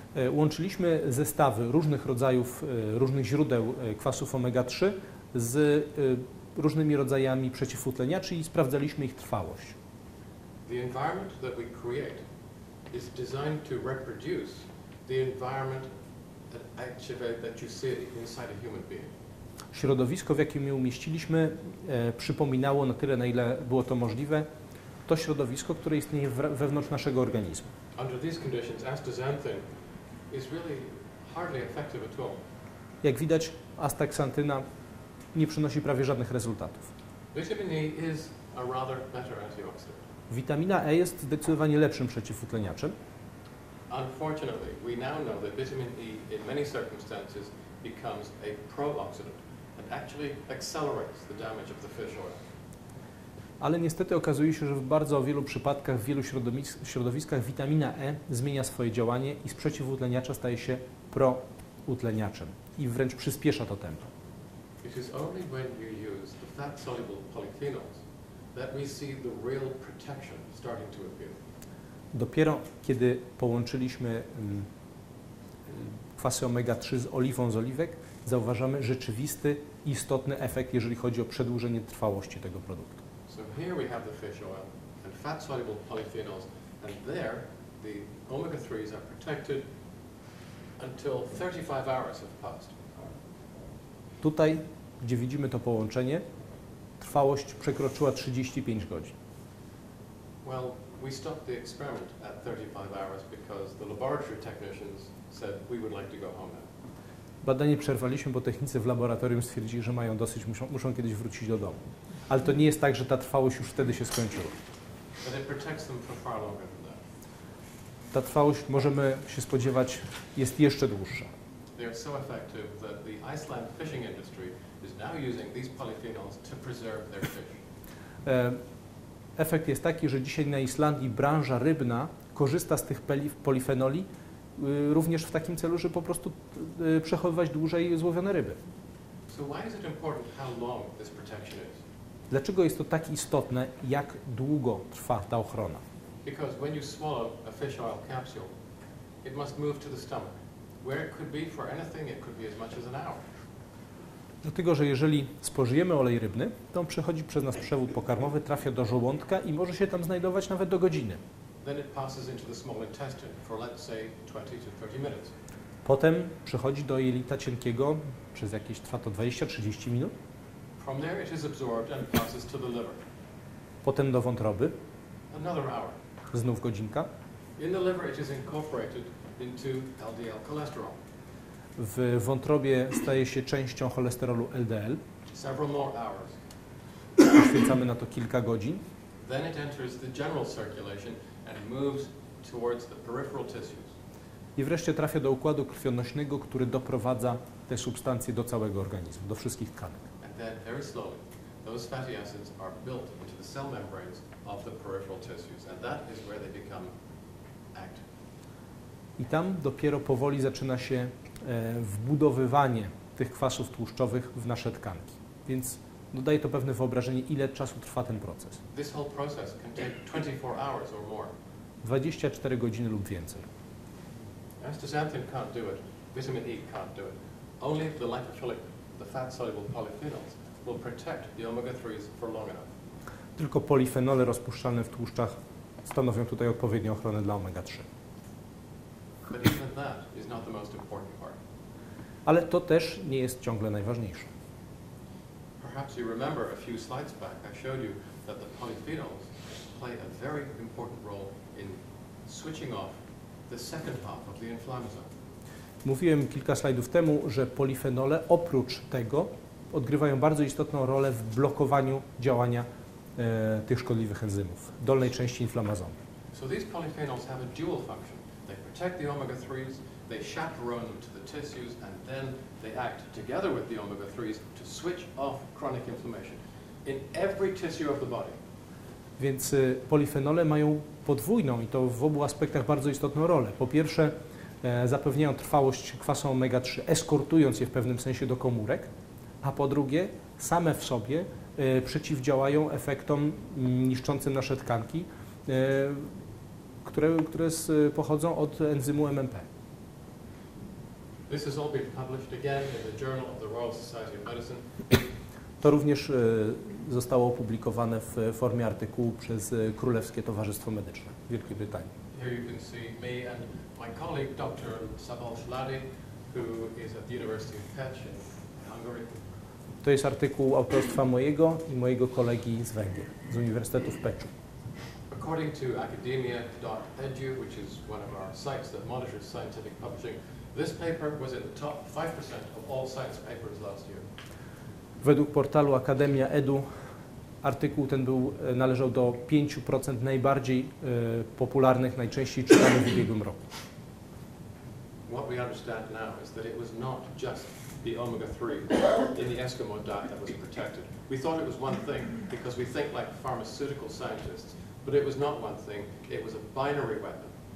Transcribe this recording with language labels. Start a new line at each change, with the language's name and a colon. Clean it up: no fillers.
Polish: Łączyliśmy zestawy różnych rodzajów, różnych źródeł kwasów omega-3 z różnymi rodzajami przeciwutleniaczy i sprawdzaliśmy ich trwałość.
English: The environment that we create is designed to reproduce the environment that activate that you see inside a human being.
Polish: Środowisko, w jakim je umieściliśmy, przypominało na tyle, na ile było to możliwe, to środowisko, które istnieje wewnątrz naszego organizmu.
English: Under these conditions, astaxanthin is really hardly effective at all.
Polish: Jak widać, astaxantyna nie przynosi prawie żadnych rezultatów.
English: Vitamin E is a rather better antioxidant.
Polish: Witamina E jest zdecydowanie lepszym przeciwutleniaczem.
English: Unfortunately, we now know that vitamin E in many circumstances becomes a pro-oxidant and actually accelerates the damage of the fish oil.
Polish: Ale niestety okazuje się, że w bardzo wielu przypadkach, w wielu środowiskach witamina E zmienia swoje działanie i z przeciwutleniacza staje się proutleniaczem i wręcz przyspiesza to tempo.
English: It is only when you use the fat-soluble polyphenols that we see the real protection starting to appear.
Polish: Dopiero kiedy połączyliśmy kwasy omega-3 z oliwą z oliwek, zauważamy rzeczywisty, istotny efekt, jeżeli chodzi o przedłużenie trwałości tego produktu.
English: So here we have the fish oil and fat-soluble polyphenols, and there the omega-3s are protected until 35 hours have passed.
Polish: Tutaj, gdzie widzimy to połączenie, trwałość przekroczyła 35 godzin.
English: Well, we stopped the experiment at 35 hours because the laboratory technicians said we would like to go home now.
Polish: Badanie przerwaliśmy, bo technicy w laboratorium stwierdzili, że mają dosyć, muszą kiedyś wrócić do domu. Ale to nie jest tak, że ta trwałość już wtedy się skończyła.
English: But it protects them for far longer than that.
Polish: Ta trwałość, możemy się spodziewać, jest jeszcze dłuższa.
English: They are so effective that the Iceland fishing industry is now using these polyphenols to preserve their fish.
Polish: Efekt jest taki, że dzisiaj na Islandii branża rybna korzysta z tych polifenoli również w takim celu, żeby po prostu przechowywać dłużej złowione ryby.
English: So why is it important how long this protection is?
Polish: Dlaczego jest to tak istotne, jak długo trwa ta ochrona?
English: Because when you swallow a fish oil capsule, it must move to the stomach. Where it could be for anything, it could be as much as an hour.
Polish: Dlatego, że jeżeli spożyjemy olej rybny, to on przechodzi przez nas przewód pokarmowy, trafia do żołądka i może się tam znajdować nawet do godziny.
English: Then it passes into the small intestine for let's say 20 to 30 minutes.
Polish: Potem przechodzi do jelita cienkiego, przez jakieś trwa to 20-30 minut.
English: From there it is absorbed and passes to the liver.
Polish: Potem do wątroby.
English: Another hour.
Polish: Znów godzinka.
English: In the liver it is incorporated into LDL cholesterol.
Polish: W wątrobie staje się częścią cholesterolu LDL.
English: Several more hours.
Polish: Poświęcamy na to kilka godzin.
English: Then it enters the general circulation and moves towards the peripheral tissues.
Polish: I wreszcie trafia do układu krwionośnego, który doprowadza te substancje do całego organizmu, do wszystkich tkanek.
English: And then very slowly, those fatty acids are built into the cell membranes of the peripheral tissues, and that is where they become active.
Polish: I tam dopiero powoli zaczyna się wbudowywanie tych kwasów tłuszczowych w nasze tkanki. Więc daje to pewne wyobrażenie, ile czasu trwa ten proces.
English: This whole process can take 24 hours or more.
Polish: 24 godziny lub więcej.
English: Astaxanthin can't do it. Vitamin E can't do it. Only the lipophilic, the fat-soluble polyphenols will protect the omega-3s for long enough.
Polish: Tylko polifenole rozpuszczalne w tłuszczach stanowią tutaj odpowiednią ochronę dla omega-3.
English: But even that is not the most important part.
Polish: Ale to też nie jest ciągle najważniejsze.
English: Perhaps you remember a few slides back I showed you that the polyphenols play a very important role in switching off the second half of the inflammasome.
Polish: Mówiłem kilka slajdów temu, że polifenole oprócz tego odgrywają bardzo istotną rolę w blokowaniu działania tych szkodliwych enzymów, dolnej części inflammazomu.
English: So these polyphenols have a dual function. They protect the omega-3s, they chaperone them to the tissues, and then they act together with the omega-3s to switch off chronic inflammation in every tissue of the body.
Polish: Więc polifenole mają podwójną i to w obu aspektach bardzo istotną rolę. Po pierwsze, zapewniają trwałość kwasom omega-3, eskortując je w pewnym sensie do komórek, a po drugie, same w sobie przeciwdziałają efektom niszczącym nasze tkanki, które pochodzą od enzymu MMP.
English: This has all been published again in the Journal of the Royal Society of Medicine.
Polish: To również zostało opublikowane w formie artykułu przez Królewskie Towarzystwo Medyczne w Wielkiej Brytanii.
English: Here you can see me and my colleague Dr. Szabolcs Lady, who is at the University of Pécs in Hungary.
Polish: To jest artykuł autorstwa mojego i mojego kolegi z Węgier, z Uniwersytetu w Pécs.
English: According to academia.edu, which is one of our sites that monitors scientific publishing, this paper was in the top 5% of all science papers last year.
Polish: Według portalu Akademia.edu artykuł ten był należał do 5% najbardziej popularnych, najczęściej czytanych w ubiegłym roku.
English: What we understand now is that it was not just the omega-3 in the Eskimo diet that was protected. We thought it was one thing because we think like pharmaceutical scientists, but it was not one thing, it was a binary weapon.